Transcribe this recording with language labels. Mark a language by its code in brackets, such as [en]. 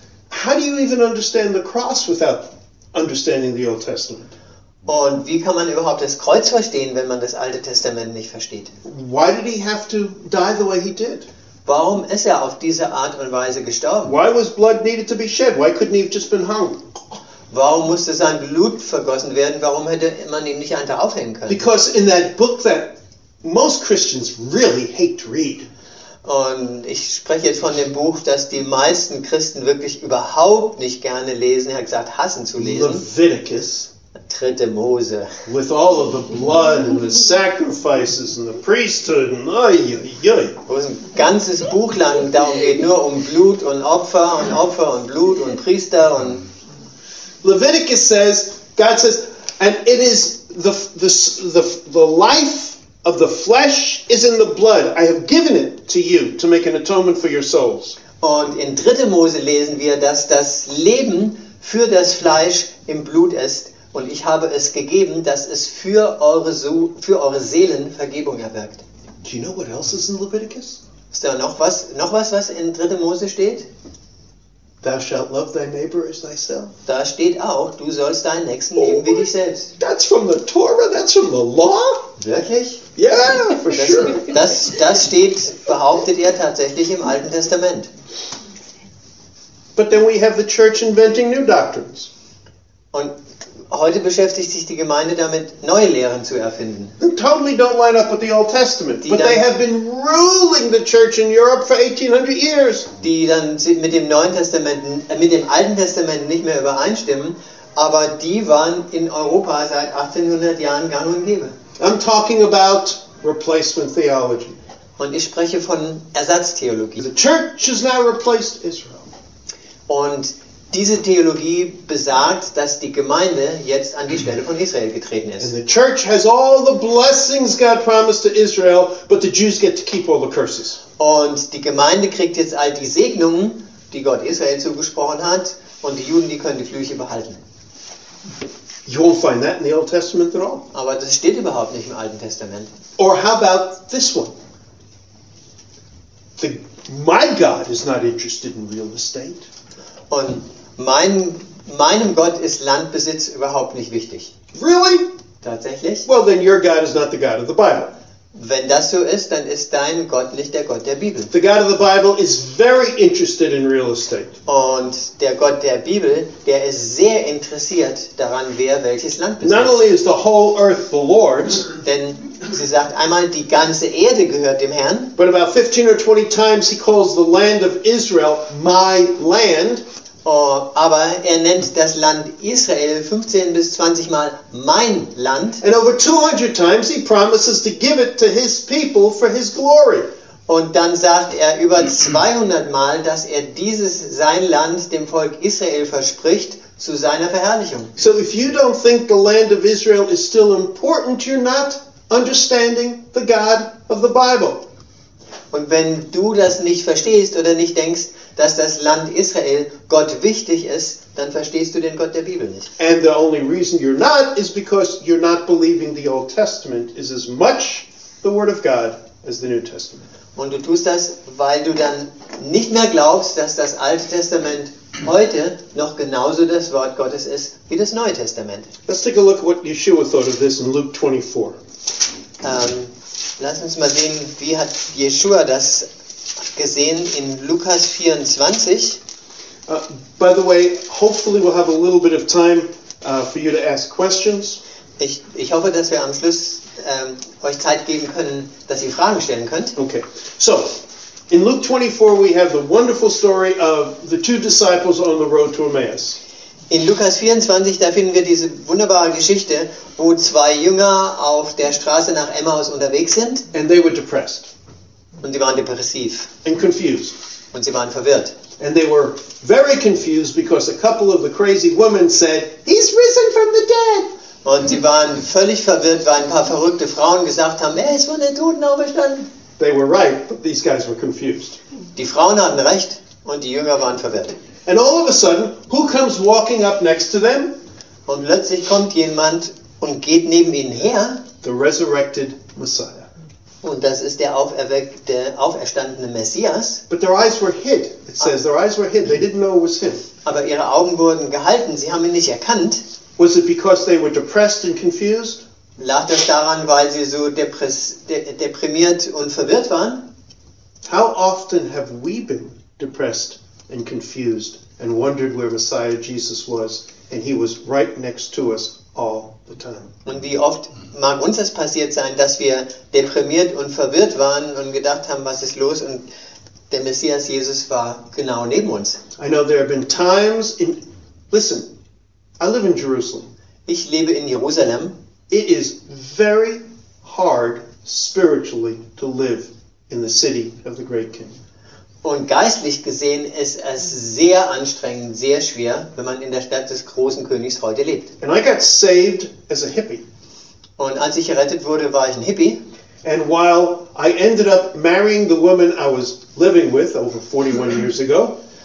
[en] How do you even understand the cross without understanding the Old Testament? [de] Und wie kann man überhaupt das Kreuz verstehen, wenn man das Alte Testament nicht versteht? [en] Why did he have to die the way he did? [de] Warum ist er auf diese Art und Weise gestorben? [en] Why was blood needed to be shed? Why couldn't he have just been hung? [de] Warum musste sein Blut vergossen werden? Warum hätte man ihn nicht einfach aufhängen können? [en] Because in that book that most Christians really hate to read. [de] Und ich spreche jetzt von dem Buch, das die meisten Christen wirklich überhaupt nicht gerne lesen. Er hat gesagt, hassen zu lesen. [en] Leviticus. [de] Dritte Mose. [en] With all of the blood and the sacrifices and the priesthood and ayayay. [de] Wo es ein ganzes Buch lang darum geht, nur um Blut und Opfer und Blut und Priester und. [en] Leviticus says, God says, and it is the life of the flesh is in the blood. I have given it to you to make an atonement for your souls. [de] Und in Dritte Mose lesen wir, dass das Leben für das Fleisch im Blut ist. Und ich habe es gegeben, dass es für eure Seelen Vergebung erwirkt. [en] Do you know what else is in Leviticus? [de] Ist da noch was in 3. Mose steht? [en] Thou shalt love thy neighbor as thyself. [de] Da steht auch, du sollst deinen Nächsten lieben wie dich selbst. [en] That's from the Torah, that's from the law? [de] Wirklich? [en] Yeah, for [de] das, [en] sure. [de] Das steht, behauptet er tatsächlich im Alten Testament. [en] But then we have the church inventing new doctrines. [de] Und heute beschäftigt sich die Gemeinde damit, neue Lehren zu erfinden. [en] Totally don't line up with the Old Testament, but they have been ruling the church in Europe for 1800 years. [de] Die dann mit dem Neuen Testament, mit dem Alten Testament nicht mehr übereinstimmen, aber die waren in Europa seit 1800 Jahren gang und gäbe. [en] I'm talking about replacement theology. [de] Und ich spreche von Ersatztheologie. [en] The church has now replaced Israel. [de] Und diese Theologie besagt, dass die Gemeinde jetzt an die Stelle von Israel getreten ist. [en] And the church has all the blessings God promised to Israel, but the Jews get to keep all the curses. [de] Und die Gemeinde kriegt jetzt all die Segnungen, die Gott Israel zugesprochen hat, und die Juden, die können die Flüche behalten. [en] You won't find that in the Old Testament at all. [de] Aber das steht überhaupt nicht im Alten Testament. [en] Or how about this one? My God is not interested in real estate. [de] Und meinem Gott ist Landbesitz überhaupt nicht wichtig. [en] Really? [de] Tatsächlich? [en] Well, then your God is not the God of the Bible. [de] Wenn das so ist, dann ist dein Gott nicht der Gott der Bibel. [en] The God of the Bible is very interested in real estate. [de] Und der Gott der Bibel, der ist sehr interessiert daran, wer welches Land besitzt. [en] Not only is the whole earth the Lord's. [de] Denn sie sagt einmal, die ganze Erde gehört dem Herrn. [en] But about 15 or 20 times he calls the land of Israel my land. [de] Aber er nennt das Land Israel 15 bis 20 Mal mein Land. [en] And over 200 times he promises to give it to his people for his glory. [de] Und dann sagt er über 200 Mal, dass er dieses sein Land dem Volk Israel verspricht zu seiner Verherrlichung. [en] So if you don't think the land of Israel is still important, you're not understanding the God of the Bible. [de] Und wenn du das nicht verstehst oder nicht denkst, dass das Land Israel Gott wichtig ist, dann verstehst du den Gott der Bibel nicht. [en] And the only reason you're not is because you're not believing the Old Testament is as much the Word of God as the New Testament. [de] Und du tust das, weil du dann nicht mehr glaubst, dass das Alte Testament heute noch genauso das Wort Gottes ist wie das Neue Testament. [en] Let's take a look at what Yeshua thought of this in Luke 24. [de] Lass uns mal sehen, wie hat Yeshua das gesehen in Lukas 24. [en] By the way, hopefully we'll have a little bit of time for you to ask questions. [de] Ich hoffe, dass wir am Schluss euch Zeit geben können, dass ihr Fragen stellen könnt. [en] Okay, so in Luke 24 we have the wonderful story of the two disciples on the road to Emmaus. [de] In Lukas 24, da finden wir diese wunderbare Geschichte, wo zwei Jünger auf der Straße nach Emmaus unterwegs sind. [en] And they were depressed. [de] Und sie waren depressiv. [en] And confused. [de] Und sie waren verwirrt. [en] And they were very confused because a couple of the crazy women said, "He's risen from the dead." [de] Und sie waren völlig verwirrt, weil ein paar verrückte Frauen gesagt haben, er ist von den Toten auferstanden. [en] They were right, but these guys were confused. [de] Die Frauen hatten recht und die Jünger waren verwirrt. [en] And all of a sudden, who comes walking up next to them? [de] Und plötzlich kommt jemand und geht neben ihnen her. [en] The resurrected Messiah. [de] Und das ist der auferweckte, auferstandene Messias. [en] But their eyes were hid. It says their eyes were hid. They didn't know it was him. [de] Aber ihre Augen wurden gehalten. Sie haben ihn nicht erkannt. [en] Was it because they were depressed and confused? [de] Lag das daran, weil sie so deprimiert und verwirrt waren? [en] How often have we been depressed and confused and wondered where Messiah Jesus was, and he was right next to us all the time? [de] Und wie oft mag uns das passiert sein, dass wir deprimiert und verwirrt waren und gedacht haben, was ist los, und der Messias Jesus war genau neben uns? [en] I know there have been times in, listen, I live in Jerusalem. [de] Ich lebe in Jerusalem. [en] It is very hard spiritually to live in the city of the great king. [de] Und geistlich gesehen ist es sehr anstrengend, sehr schwer, wenn man in der Stadt des großen Königs heute lebt. [en] And I got saved as a hippie. [de] Und als ich gerettet wurde, war ich ein Hippie. [en] And while I ended up marrying the woman I was living with over 41 years ago,